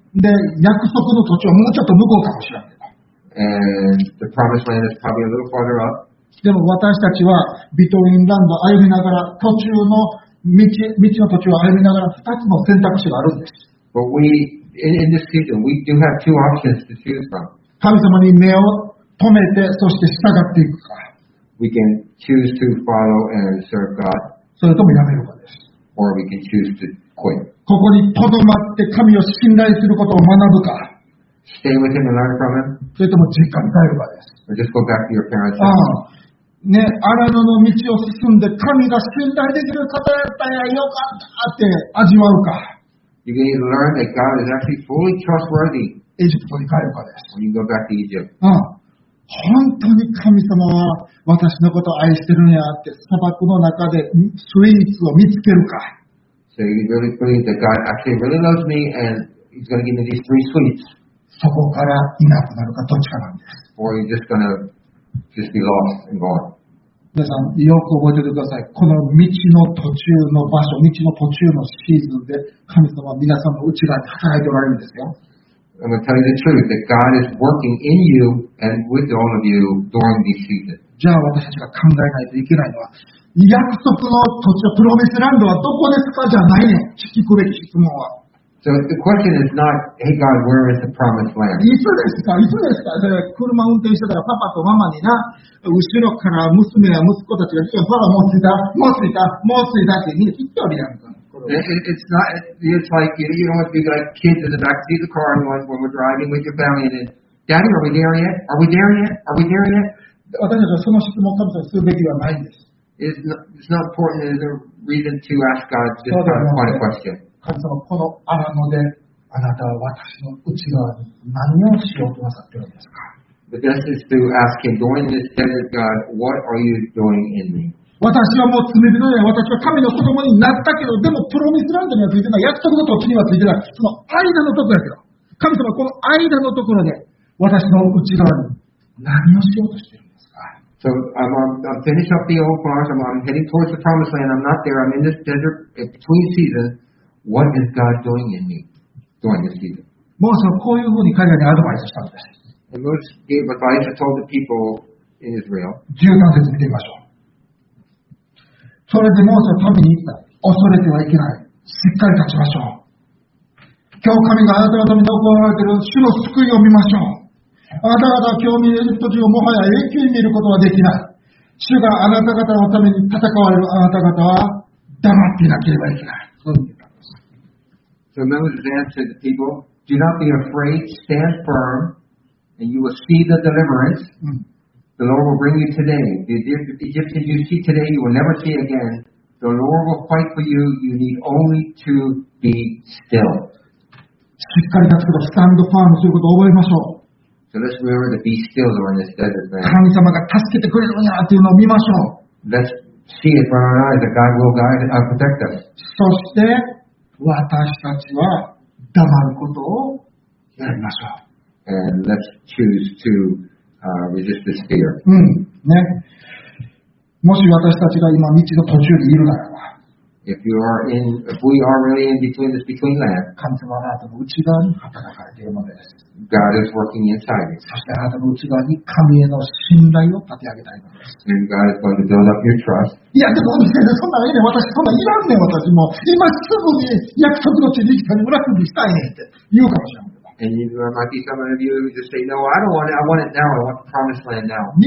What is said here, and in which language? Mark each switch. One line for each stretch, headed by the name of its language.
Japanese: で、約束の土地はもうちょっと向こうかもしれない。
English: And the promised land is probably a little farther up.
Japanese: でも私たちはビトウィンランド歩みながら途中の道の途中を歩みながら二つの選択肢があるんです。
English: But we in this season we do have two options to choose from.
Japanese: 神様に目を止めてそして従っていくか。
English: We can choose to follow and serve God.
Japanese: それともやめるかです。
English: Or we can choose to quit.
Japanese: ここに留まって神を信頼することを学ぶか。
English: Stay with him and learn from him.
Japanese: それとも実家に帰るかです。
English: Or just go back to your parents.
Japanese: ね、荒野の道を進んで神が信頼できる方だったらよかったって味わうか。
English: You can learn that God is actually fully trustworthy.
Japanese: エジプトに帰るかです。
English: When you go back to Egypt.
Japanese: 本当に神様は私のことを愛してるんやって砂漠の中でスイーツを見つけるか。
English: So you really believe that God actually really loves me and he's going to give me these three sweets.
Japanese: そこからいなくなるかどっちかなんです。
English: Or you're just going to just be lost and gone.
Japanese: 皆さんよく覚えててください。この道の途中の場所、道の途中のシーズンで神様は皆さんの内側に働いておられるんですよ。
English: I'm going to tell you the truth, that God is working in you and with all of you during this season.
Japanese: じゃあ私たちが考えないといけないのは、約束の土地、プロミスランドはどこですかじゃないね。聞くべき質問は。
English: So the question is not, hey God, where is the promised land?
Japanese: いつですか、いつですか。車運転してたらパパとママにな、後ろから娘や息子たちが、ほら、もう着いた、もう着いた、もう着いたってみんな聞いておりやんか。
English: It's not, it's like, you know, you don't want to be like kids in the back seat of the car when we're driving with your family and then, Daddy, are we there yet? Are we there yet? Are we there yet?
Japanese: 私たちはその質問を神様にするべきではないんです。
English: It's not important as a reason to ask God this kind of question.
Japanese: 神様、この荒野であなたは私の内側に何をしようとなさっているんですか?
English: The best is to ask Him, during this desert, God, what are you doing in me?
Japanese: 私はもう罪人で私は神の子供になったけど、でもプロミスランドにはついてない、約束の土地にはついてない、その間のところだけど、神様この間のところで私の内側に何をしようとしているんですか。
English: So I'm finished up the old farms, I'm heading towards the promised land, I'm not there, I'm in this desert between seasons. What is God doing in me during this season?
Japanese: モーセはこういうふうに彼らにアドバイスしたんです。
English: And Moses gave advice and told the people in Israel.
Japanese: 13節見てみましょう。それでモーセは民に言った。恐れてはいけない。しっかり立ちましょう。今日神があなた方に行われている主の救いを見ましょう。あなた方は今日見える時をもはや永久に見ることはできない。主があなた方のために戦われるあなた方は黙っていなければいけない。そういうふうに言ったんです。
English: So Moses answered the people, Do not be afraid, stand firm, and you will see the deliverance.、Mm. The Lord will bring you today. The Egyptians you see today, you will never see again. The Lord will fight for you. You need only to be still.
Japanese: しっかり立つこと、
English: stand firm
Japanese: ということを覚えましょう。
English: So let's remember to be still during this desert.
Japanese: 神様が助けてくれるんやというのを見ましょう。
English: Let's see it with our eyes that God will guide and protect us.
Japanese: そして私たちは黙ることをやりましょう。
English: And let's choose to. Resist this fear.
Japanese: ね、もし私たちが今道の途中にいるならば、
English: if we are really in between this between land,
Japanese: 神様はあなたの内側に働かれているものです。
English: God is working inside.
Japanese: そしてあなたの内側に神への信頼を立て上げたいのです。
English: And God is going to build up your trust.
Japanese: いやでも先生そんなのいいね。私そんなにいらんねん私も。今すぐに約束の地に来たり村にしたいねって言うかもしれない。
English: And you might be some of you who just say, No, I don't want it. I want it now. I want the promised land now.